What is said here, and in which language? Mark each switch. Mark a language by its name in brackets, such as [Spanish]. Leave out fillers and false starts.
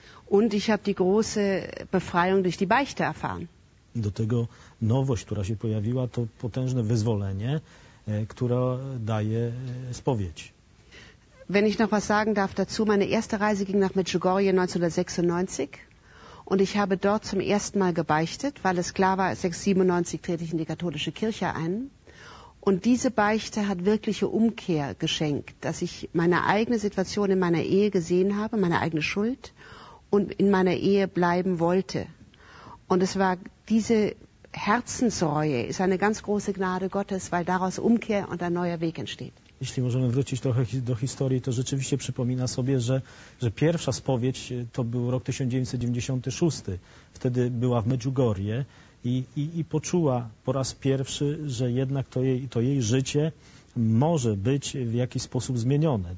[German] Und ich habe die große Befreiung durch die Beichte erfahren. [Polish] I do tego nowość, która się pojawiła, to potężne wyzwolenie, która daje spowiedź. [German] Wenn ich noch was sagen darf dazu, meine erste Reise ging nach Medjugorje 1996 und ich habe dort zum ersten Mal gebeichtet, weil es klar war, 1997 trete ich in die katholische Kirche ein. Und diese Beichte hat wirkliche Umkehr geschenkt, dass ich meine eigene Situation in meiner Ehe gesehen habe, meine eigene Schuld und in meiner Ehe bleiben wollte. Und es war diese Herzensreue, ist eine ganz große Gnade Gottes, weil daraus Umkehr und ein neuer Weg entsteht. [Polish] Jeśli możemy wrócić trochę do historii, to rzeczywiście przypomina sobie, że pierwsza spowiedź to był rok 1996. Wtedy była w Medjugorje i poczuła po raz pierwszy, że jednak to jej życie może być w jakiś sposób zmienione.